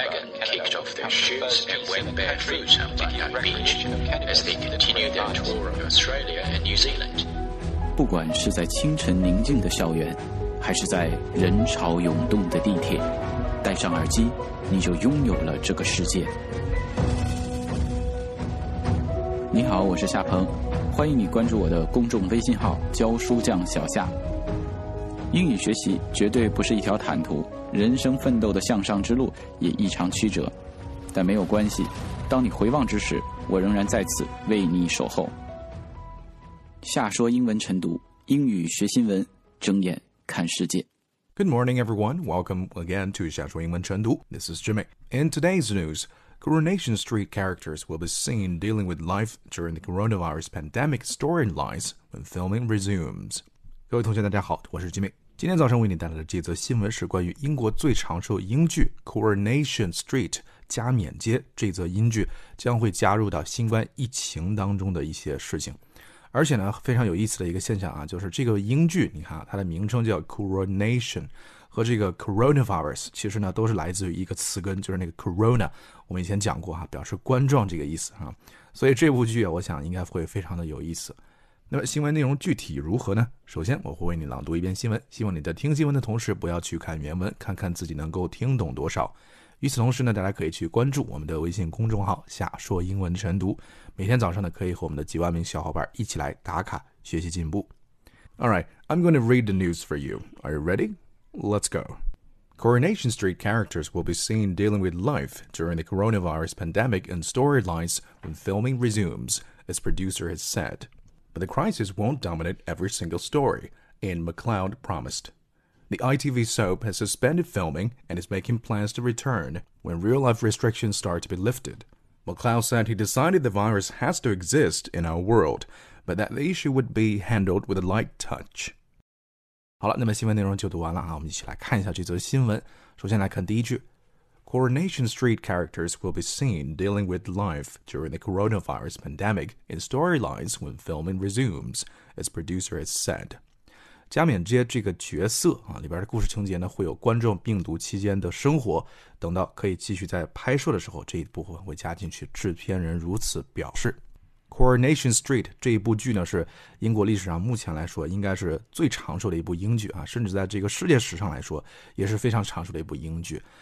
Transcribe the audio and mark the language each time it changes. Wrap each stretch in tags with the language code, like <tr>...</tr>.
<en>Meghan kicked off their shoots and went barefoot on Bondi Beach as they continued their tour of Australia and New Zealand.</en> <zh>不管是在清晨宁静的校园，还是在人潮涌动的地铁，戴上耳机，你就拥有了这个世界。你好，我是夏鹏，欢迎你关注我的公众微信号教书匠小夏。英语学习绝对不是一条坦途，人生奋斗的向上之路也异常曲折，但没有关系，当你回望之时，我仍然在此为你守候。夏说英文晨读，英语学新闻，睁眼看世界。</zh> <en>Good morning, everyone. Welcome again to 夏说英文晨读.This is Jimmy. In today's news, Coronation Street characters will be seen dealing with life during the coronavirus pandemic storylines when filming resumes.</en> <zh>各位同学，大家好，我是 Jimmy。今天早上为你带来的这则新闻是关于英国最长寿英剧 Coronation Street 加冕街，这则英剧将会加入到新冠疫情当中的一些事情。而且呢，非常有意思的一个现象啊，就是这个英剧，你看它的名称叫 Coronation， 和这个 Coronavirus 其实呢都是来自于一个词根，就是那个 Corona， 我们以前讲过啊，表示冠状这个意思啊。所以这部剧啊，我想应该会非常的有意思。那么新闻内容具体如何呢？首先我会为你朗读一遍新闻，希望你在听新闻的同时不要去看原文，看看自己能够听懂多少。与此同时呢，大家可以去关注我们的微信公众号夏说英文晨读，每天早上呢可以和我们的几万名小伙伴一起来打卡学习进步。</zh> <en>Alright, I'm going to read the news for you. Are you ready? Let's go. Coronation Street characters will be seen dealing with life during the coronavirus pandemic and storylines when filming resumes, its producer has said. But the crisis won't dominate every single story, Ian McLeod promised. The ITV soap has suspended filming and is making plans to return when real-life restrictions start to be lifted. McLeod said he decided the virus has to exist in our world, but that the issue would be handled with a light touch.</en> <zh>好了，那么新闻内容就读完了啊，我们一起来看一下这则新闻。首先来看第一句</zh> <en>，Coronation Street characters will be seen dealing with life during the coronavirus pandemic in storylines when filming resumes, its producer has said.</en> <zh>加冕街这个角色啊，里边的故事情节呢，会有冠状病毒期间的生活。等到可以继续在拍摄的时候，这一部分会加进去。制片人如此表示。 Coronation Street 这一部剧呢，是英国历史上目前来说应该是最长寿的一部英剧啊，甚至在这个世界史上来说也是非常长寿的一部英剧。</zh>